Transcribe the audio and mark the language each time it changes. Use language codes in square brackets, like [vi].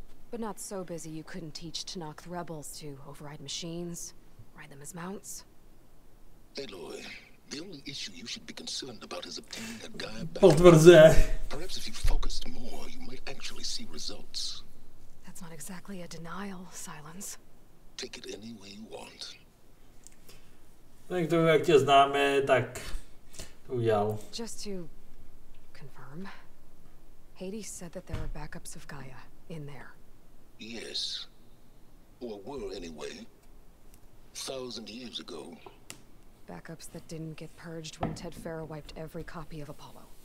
[en] But not so busy you couldn't teach Tanakh rebels to override machines, ride them as mounts. Aloy, the only issue you should be concerned about is obtaining a Gaia back. Perhaps if you focused more, you might actually see results. That's not exactly a denial, Silence. Take it any way you want. [cs] Tak to, jak tě známe, tak udělal. [en] Just to confirm, Hades said that there are backups of Gaia in there. Yes. Or were, anyway. 1,000 years ago. Backups that didn't get purged when Ted Farrow wiped every copy of Apollo.